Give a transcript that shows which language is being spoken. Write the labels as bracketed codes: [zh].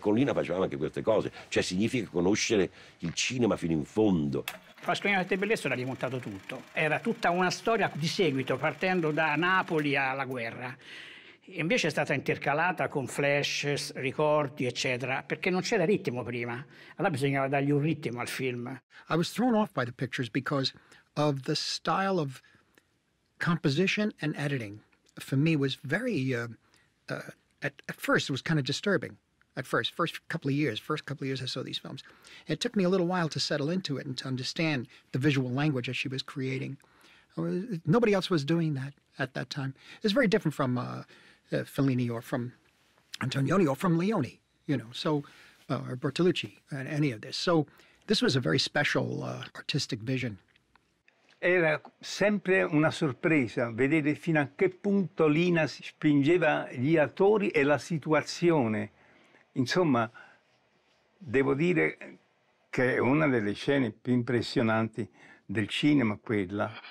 [it] Con Lina facevamo anche queste cose, cioè significa conoscere il cinema fino in fondo. Pasqualino Sette Bellezze l'ha rimontato tutto, era tutta una storia di seguito, partendo da Napoli alla guerra. Invece è stata intercalata con flash, ricordi, eccetera, perché non c'era ritmo prima. Allora bisognava dargli un ritmo al film. [en] I was thrown off by the pictures because of the style of composition and editing. For me was very at first it was kind of disturbing. At first couple of years I saw these films. It took me a little while to settle into it and to understand the visual language that she was creating. Nobody else was doing that at that time. It's very different from Fellini or from Antonioni or from Leone, you know, so or Bertolucci, any of this. So This was a very special artistic vision. [it] Era sempre una sorpresa vedere fino a che punto Lina spingeva gli attori e la situazione. Insomma, devo dire che è una delle scene più impressionanti del cinema, quella.